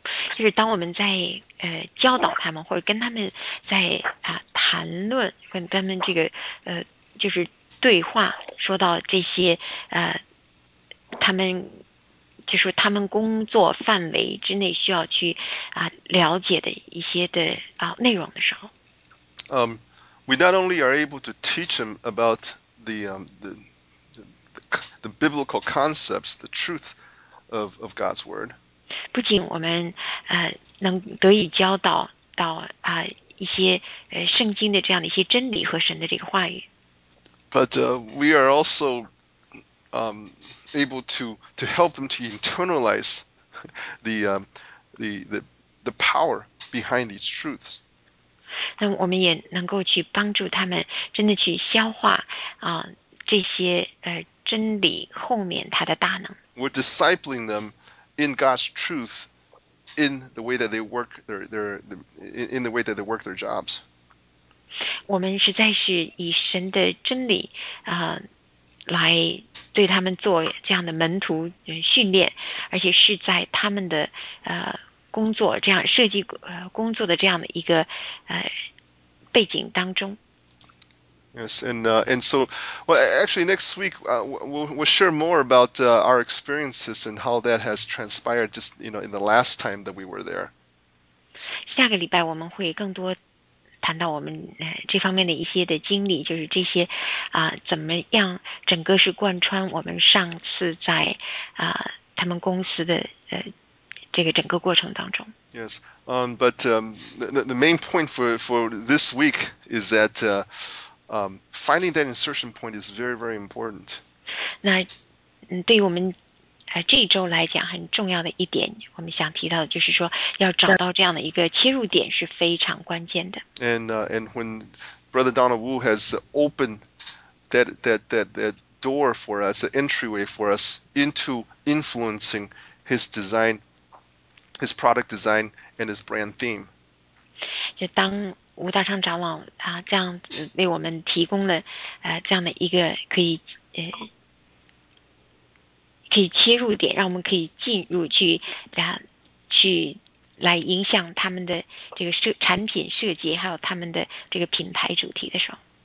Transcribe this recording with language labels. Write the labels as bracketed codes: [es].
[zh] 就是当我们在教导他们，或者跟他们在谈论，跟他们这个就是对话，说到这些他们。就是他们工作范围之内需要去了解的一些的内容的时候。 [en] We not only are able to teach them about the biblical concepts, the truth of God's word. [zh] 不仅我们能得以教导到一些圣经的这样的一些真理和神的这个话语。 [en] But we are also able to help them to internalize the power behind these truths. [zh] 那我们也能够去帮助他们真的去消化这些真理后面它的大能。 [en] We're discipling them in God's truth in the way that they work in the way that they work their jobs. [zh] 我们实在是以神的真理来对他们做这样的门徒训练，而且是在他们的工作这样设计工作的这样的一个背景当中。 [en] Yes, and so, well, actually, next week we'll share more about our experiences and how that has transpired just, in the last time that we were there. [zh] 下个礼拜我们会更多谈到我们这方面的一些的经历，就是这些怎么样整个是贯穿我们上次在他们公司的这个整个过程当中。 [en] Yes, but the main point for this week is that finding that insertion point is very, very important. [zh] 那对于我们这一周来讲很重要的一点，我们想提到的就是说，要找到这样的一个切入点是非常关键的。 [en] And when Brother Donald Wu has opened that door for us, the entryway for us into influencing his design, his product design, and his brand theme. [zh] 就当吴大昌长老这样子为我们提供了这样的一个可以切入点，让我们可以进入去来影响他们的这个产品设计，还有他们的这个品牌主题的时候。